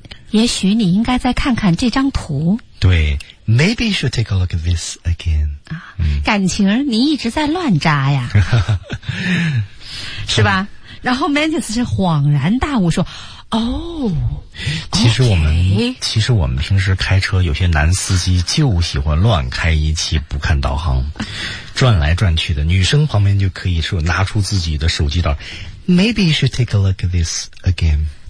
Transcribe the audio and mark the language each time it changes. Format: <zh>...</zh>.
<zh>也许你应该再看看这张图。</zh> <en>对 ，Maybe you should take a look at this again。</en> <zh>啊，感情你一直在乱扎呀，是吧？然后 Mantis 是恍然大悟说：“哦，其实我们、</zh> <en>okay、</en> <zh>其实我们平时开车，有些男司机就喜欢乱开一气，不看导航，转来转去的。女生旁边就可以说拿出自己的手机到 ，</zh> <en>Maybe you should take a look at this again。”</en>